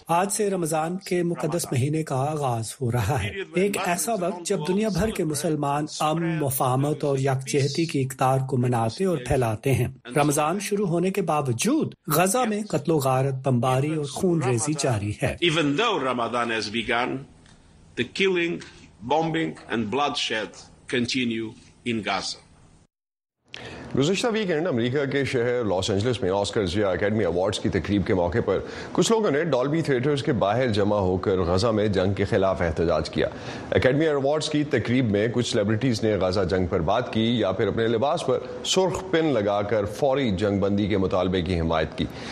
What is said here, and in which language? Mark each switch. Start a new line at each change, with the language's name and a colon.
Urdu: آج سے رمضان کے مقدس مہینے کا آغاز ہو رہا ہے. ایک ایسا وقت جب دنیا بھر کے مسلمان امن مفاہمت اور یکجہتی کی اقدار کو مناتے اور پھیلاتے ہیں. رمضان شروع ہونے کے باوجود غزہ میں قتل و غارت بمباری اور خون ریزی جاری ہے.
English: Even though Ramadan has begun, the killing, bombing and bloodshed continue in Gaza.
Urdu: گزشتہ ویکینڈ امریکہ کے شہر لاس اینجلس میں آسکرز یا اکیڈمی اوارڈز کی تقریب کے موقع پر کچھ لوگوں نے ڈالبی تھیٹرز کے باہر جمع ہو کر غزہ میں جنگ کے خلاف احتجاج کیا. اکیڈمی اوارڈز کی تقریب میں کچھ سیلیبریٹیز نے غزہ جنگ پر بات کی یا پھر اپنے لباس پر سرخ پن لگا کر فوری جنگ بندی کے مطالبے کی حمایت کی.